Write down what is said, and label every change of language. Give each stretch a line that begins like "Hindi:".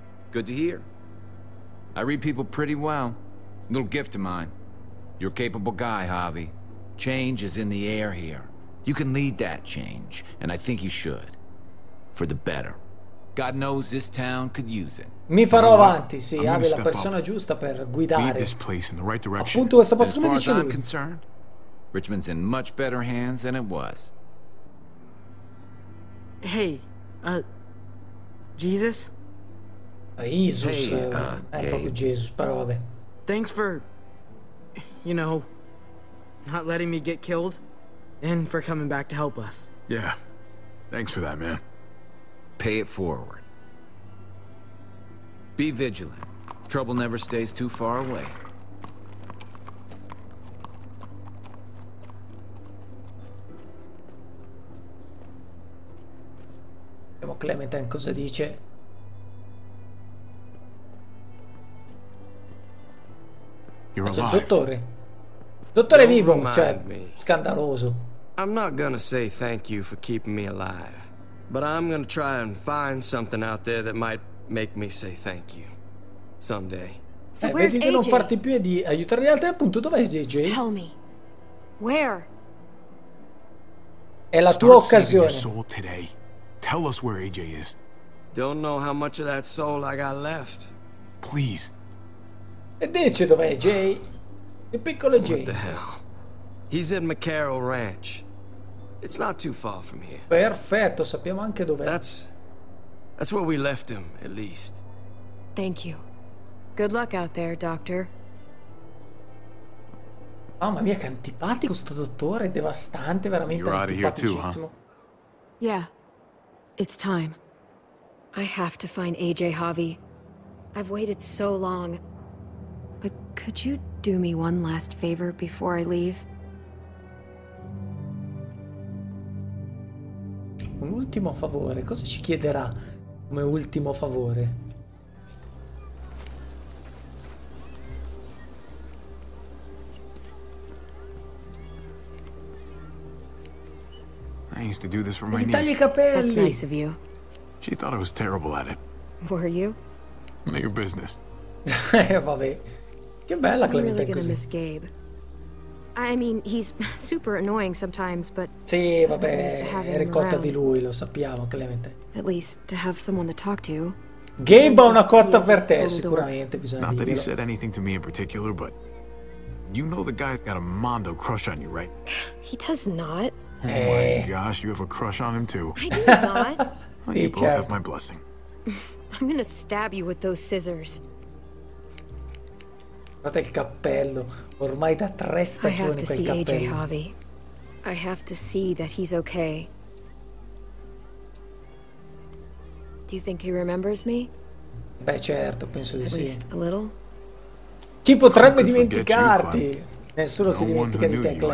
English: Good to hear. I read people pretty well. Little gift of mine. You're a capable guy, Javi. Change is in the air here. You can lead that change, and I think you should. For the better. God knows this town could use it.
Italian: Mi farò avanti, sì, avrei la persona giusta per guidare.
English: Lead this place in the right direction.
Italian: Appunto, questo posto mi dice lui.
English: I'm concerned. Richmond's in much better hands than it was. Hey, Jesus? Jesus, hey, Gabe.
Italian: Proprio Jesus, però vabbè.
English: Thanks for, you know, not letting me get killed and for coming back to help us. Yeah. Thanks for that, man. Pay it forward. Be vigilant. Trouble never stays too far away.
Italian: Vediamo Clementine cosa dice.
English: You're alive.
Italian: Dottore. Dottore vivo, cioè, scandaloso.
English: I'm not gonna say thank you for keeping me alive. But I'm gonna try and find something out there that might make me say thank you someday.
Italian: So vedi di non farti più e di aiutare gli altri, appunto. Dov'è AJ?
English: Tell me. Where?
Italian: È la tua occasione.
English: Your soul today. Tell us where AJ is. Don't know how much of that soul I got left. Please.
Italian: E dice dov'è AJ? Il piccolo AJ.
English: What the hell? He's at McCarroll Ranch. It's not too far from here.
Italian: Perfetto, sappiamo anche dov'è.
English: That's where we left him, at least. Thank you. Good luck out there, doctor.
Italian: Mamma mia, che antipatico sto dottore, devastante, veramente antipaticissimo.
English: Yeah, it's time. I have to find AJ, Javi. I've waited so long. But could you do me one last favor before I leave?
Italian: Un ultimo favore, cosa ci chiederà come ultimo favore?
English: I used to do this for my niece.
Italian: Tagli i capelli.
English: That's nice of you. She thought I was terrible at it. Were you? None of your business.
Italian: Vabbè. Che bella Clementine
English: really
Italian: così.
English: Gonna miss Gabe. I mean, he's super annoying sometimes, but
Italian: sì, vabbè, è ricotta di lui, lo sappiamo, Clemente.
English: At least to have someone to talk to.
Italian: Gabe ha una cotta per te, sicuramente bisogna dirlo.
English: Not that he said anything to me in particular, but you know the guy's got a mondo crush on you, right? He does not. Oh my gosh, you have a crush on him too. I do not. Well, you both have my blessing. I'm gonna stab you with those scissors.
Italian: Guarda il cappello, ormai da tre stagioni quel cappello.
English: I have to see AJ, Javi. I have to see that he's okay. Do you think he remembers me?
Italian: Beh, certo, penso di sì.
English: At least a little.
Italian: Chi potrebbe dimenticarti? Nessuno si dimentica di te, Clem.